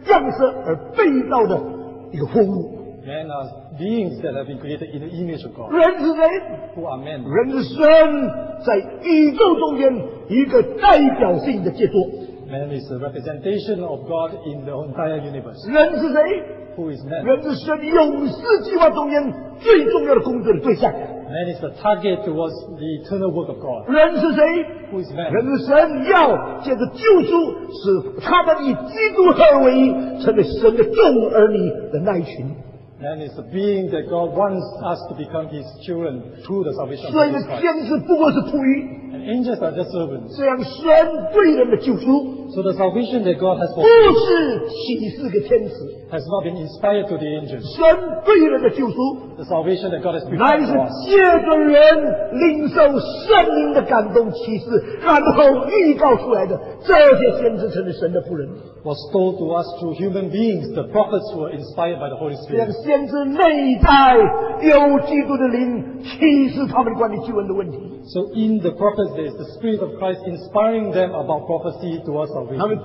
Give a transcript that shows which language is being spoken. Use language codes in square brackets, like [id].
[zh] 人是神按照他们自己的形象样式而被造的一个活物。 [en] Men are beings that have been created in the image of God. [zh] 人是谁? [en] Who are men? [zh] 人是神在宇宙中间一个代表性的杰作。 [en] Man is a representation of God in the entire universe. [zh] 人是谁? [en] Who is man? [zh] 人是神永世计划中间最重要的工作的对象。 [en] Man is the target towards the eternal work of God. [zh] 人是谁? [en] Who is man? [zh] 人是神要借着救赎使他们以基督合为成为神的众儿女的那一群。 [en] Man is the being that God wants us to become His children through the salvation of Jesus Christ. [zh] 所以天使不过是仆役。 [en] And angels are just servants. [zh] 这样神对人的救赎, [en] so the salvation that God has given has not been inspired to the angels. [zh] 神对人的救赋, [en] the salvation that God has given to us was told to us through human beings, the prophets who were inspired by the Holy Spirit. [zh] 这样先知内代有基督的灵启示他们关于救恩的问题。 [en] So in the prophets, there is the Spirit of Christ inspiring them about prophecy towards salvation.